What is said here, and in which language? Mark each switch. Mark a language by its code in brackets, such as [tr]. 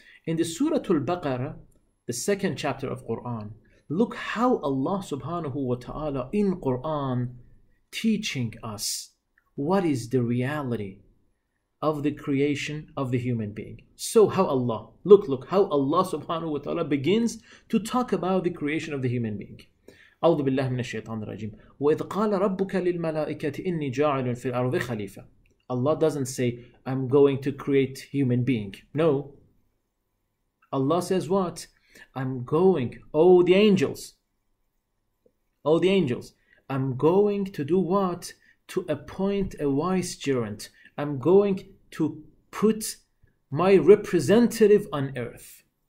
[en] In the Surah Al-Baqarah, the second chapter of Quran, look how Allah subhanahu wa ta'ala in Quran teaching us what is the reality of the creation of the human being. So how Allah, look how Allah subhanahu wa ta'ala begins to talk about the creation of the human being. [ar] أعوذ بالله من الشيطان الرجيم. وإذ قال ربك للملائكة إني جاعل في الأرض خليفة. [en] Allah doesn't say, I'm going to create human being. No. Allah says what? I'm going, oh the angels, I'm going to do what? To appoint a vicegerent. I'm going to put my representative on earth.